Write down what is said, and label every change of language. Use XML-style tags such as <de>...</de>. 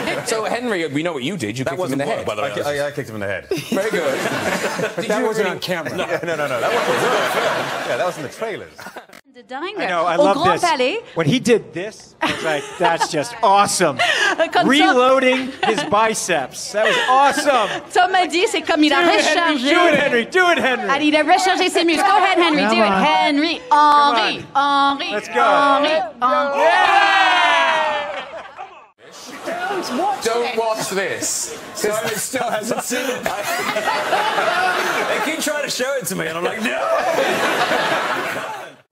<en>so, Henry, we know what you did. You kicked him in the head. By the way, I kicked him in the head. Very good. That wasn't on camera. No. That wasn't on the film. Yeah, that was in the trailers. The diner. I know, I love this. Belly. When he did this, I was like, that's just awesome. Reloading his biceps. That was awesome.</en> <fr>Tom a dit, c'est comme il a rechargé.</fr> <en>Do it, Henry. And he'd have</en> <fr>rechargé ses muscles.</fr> <en>Go ahead, Henry. Come do on. It. Henry. Henry. Henry. Let's go. Henry. Henry. Don't watch this. Simon still hasn't seen it. They keep trying to show it to me, and I'm like, no.</en>